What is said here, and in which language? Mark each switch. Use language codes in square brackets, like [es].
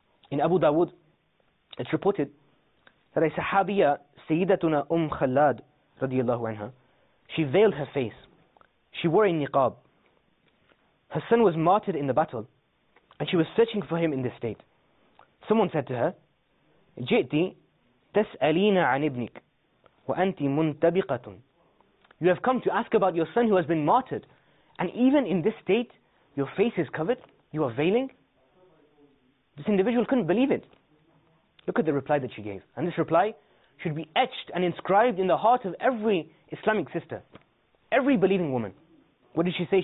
[en] In Abu Dawood, it's reported that a Sahabiya, Sayyidatuna Khalad, radiallahu anha, she veiled her face. She wore a niqab. Her son was martyred in the battle, and she was searching for him in this state. [ar] Someone said to her, جئتي تسألين عن ابنك وأنت منتبقة. [en] You have come to ask about your son who has been martyred, and even in this state, your face is covered, you are veiling. This individual couldn't believe it. Look at the reply that she gave. And this reply should be etched and inscribed in the heart of every Islamic sister, every believing woman. What did she say?